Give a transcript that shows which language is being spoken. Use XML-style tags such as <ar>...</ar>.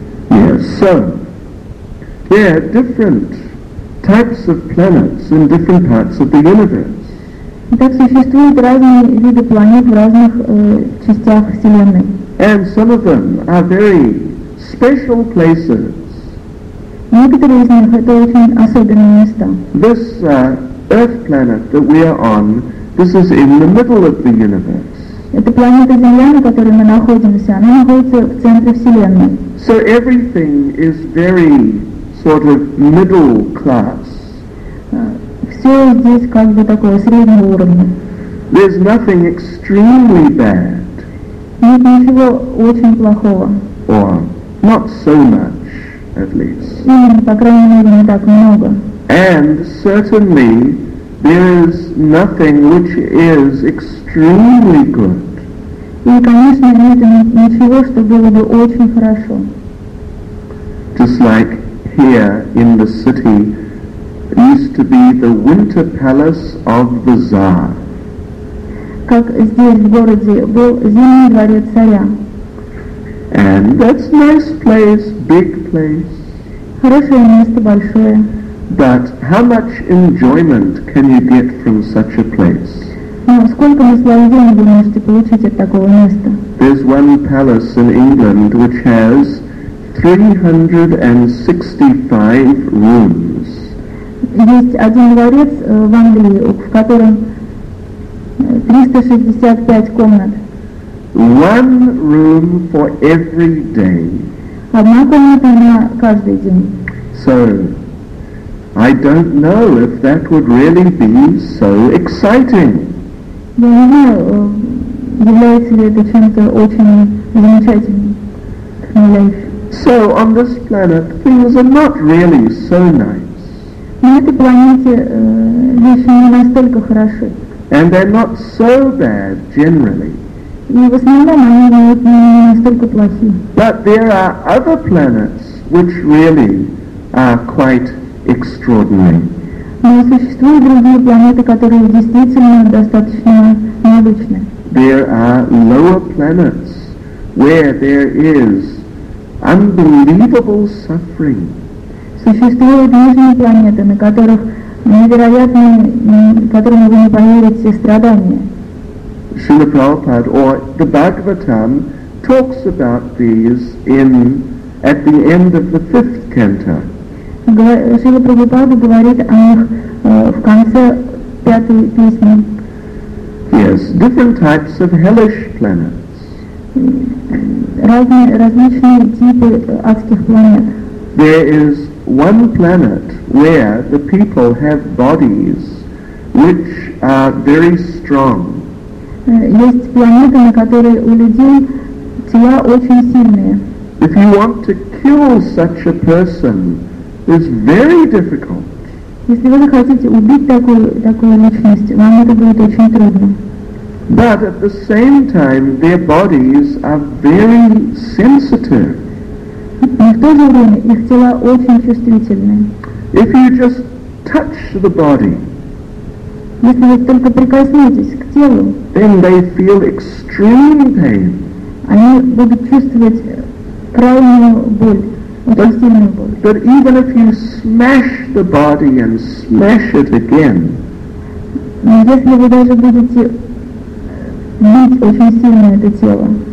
<en>Yes, so, there are different types of planets in different parts of the universe.</en> <ru>Так существуют разные виды планет в разных частях Вселенной.</ru> <en>And some of them are very special places.</en> <ru>Некоторые из них это очень особенные места.</ru> <en>This Earth planet that we are on, this is in the middle of the universe.</en> <ru>Эта планета Земля, на которой мы находимся, она находится в центре Вселенной.</ru> <en>So everything is very sort of middle class.</en> <ru>Всё здесь как бы такое среднего уровня.</ru> <en>There's nothing extremely bad.</en> <ru>Нет ничего очень плохого.</ru> <en>Or not so much, at least.</en> <ru>По крайней мере, не так много.</ru> <en>And certainly there is nothing which is extremely good.</en> <ru>И, конечно, нет ничего, что было бы очень хорошо.</ru> <en>Just like here in the city used to be the winter palace of the Tsar.</en> <ru>Как здесь, в городе, был зимний дворец царя.</ru> <en>And that's a nice place, big place.</en> <ru>Хорошее место, большое.</ru> <en>But how much enjoyment can you get from such a place?</en> <ru>Ну, сколько наслаждения вы можете получить от такого места?</ru> <en>There's one palace in England which has 365 rooms.</en> <ru>Есть один дворец в Англии, в котором 365 комнат.</ru> <en>One room for every day.</en> <ru>Одна комната на каждый день.</ru> <en>So, I don't know if that would really be so exciting.</en> <ru>Я не знаю, является ли это чем-то очень замечательным.</ru> <en>So on this planet things are not really so nice.</en> <ru>На этой планете вещи не настолько хороши.</ru> <en>And they're not so bad generally.</en> <ru>И в основном они не настолько плохи.</ru> <en>But there are other planets which really are quite extraordinary.</en> <ru>Но существуют другие планеты, которые действительно достаточно необычны.</ru> <en>There are lower planets where there is unbelievable suffering.</en> <ru>Существуют нижние планеты, на которых невероятные, которым вы не поверите, страдания.</ru> <en>Srila Prabhupada or the Bhagavatam talks about these at the end of the fifth canto.</en> <ru>Srila Prabhupada говорит о них в конце пятой песни.</ru> <en>Yes, different types of hellish planets.</en> <ru>Различные типы адских планет.</ru> <en>There is one planet where the people have bodies which are very strong.</en> <ru>Есть планеты, на которые у людей тела очень сильные.</ru> <en>If you want to kill such a person, it's very difficult.</en> <ru>Если вы хотите убить такую личность, вам это будет очень трудно.</ru> <en>But at the same time, their bodies are very sensitive.</en> <ru>Но в то же время их тела очень чувствительны.</ru> <en>If you just touch the body,</en> <ru>если вы только прикоснетесь к телу,</ru> <en>then they feel extreme pain.</en> <ru>Они будут чувствовать крайнюю боль, очень сильную боль.</ru> <en>But even if you smash the body and smash it again,</en> <ru>но если вы даже будете бить очень сильно это тело,</ru>